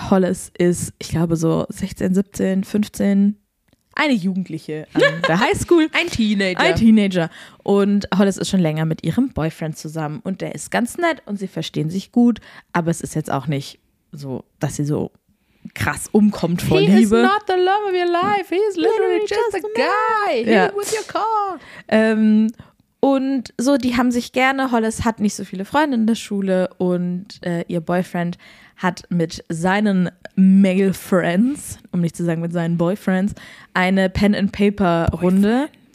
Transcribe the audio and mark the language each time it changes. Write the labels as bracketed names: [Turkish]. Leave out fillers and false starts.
[German] Hollis ist, ich glaube, so 16, 17, 15. Eine Jugendliche an der Highschool. Ein Teenager. Ein Teenager. Und Hollis ist schon länger mit ihrem Boyfriend zusammen. Und der ist ganz nett und sie verstehen sich gut. Aber es ist jetzt auch nicht so, dass sie so krass umkommt vor Liebe. [English] He is not the love of your life. He is literally just a guy. Yeah. He with your car. [German] Und so, die haben sich gerne. Hollis hat nicht so viele Freunde in der Schule. Und ihr Boyfriend hat mit seinen Male Friends, um nicht zu sagen mit seinen Boyfriends, eine Pen-and-Paper-Runde.